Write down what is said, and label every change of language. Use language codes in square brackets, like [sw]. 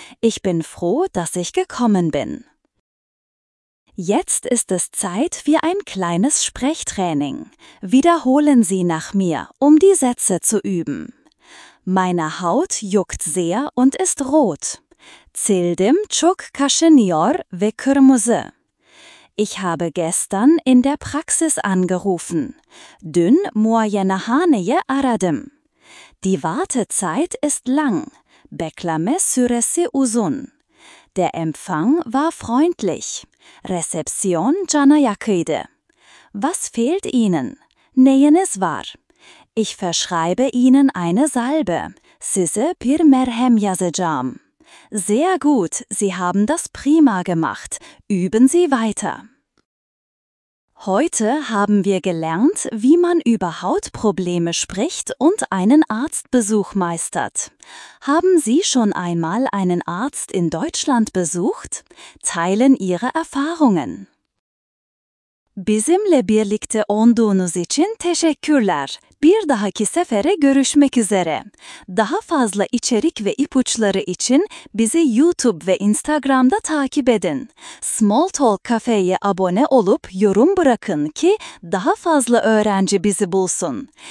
[de] Ich bin froh, dass ich gekommen bin. Jetzt ist es Zeit für ein kleines Sprechtraining. Wiederholen Sie nach mir, um die Sätze zu üben. Meine Haut juckt sehr und ist rot. [tr] Cildim çok kaşınıyor ve kırmızı. [de] Ich habe gestern in der Praxis angerufen. [tr] Dün muayenehaneye aradım. [de] Die Wartezeit ist lang. [tr] Bekleme süresi uzun. [de] Der Empfang war freundlich. [tr] Resepsiyon cana yakıydı. [de] Was fehlt Ihnen? [tr] Neyiniz var? [de] Ich verschreibe Ihnen eine Salbe. [tr] Size bir merhem yazacağım. [de] Sehr gut, Sie haben das prima gemacht. Üben Sie weiter. Heute haben wir gelernt, wie man über Hautprobleme spricht und einen Arztbesuch meistert. Haben Sie schon einmal einen Arzt in Deutschland besucht? Teilen Ihre Erfahrungen. [tr] Bizimle birlikte olduğunuz için teşekkürler. Bir dahaki sefere görüşmek üzere. Daha fazla içerik ve ipuçları için bizi YouTube ve Instagram'da takip edin. Small Talk Cafe'ye abone olup yorum bırakın ki daha fazla öğrenci bizi bulsun.